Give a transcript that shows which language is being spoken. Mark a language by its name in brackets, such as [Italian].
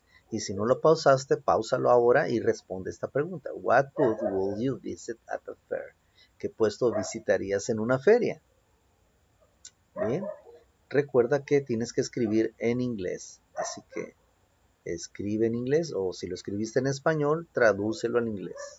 [Spanish] Y si no lo pausaste, páusalo ahora y responde esta pregunta. [English] What booth would you visit at a fair? [Spanish] ¿Qué puesto visitarías en una feria? Bien, recuerda que tienes que escribir en inglés. Así que escribe en inglés o si lo escribiste en español, tradúcelo al inglés.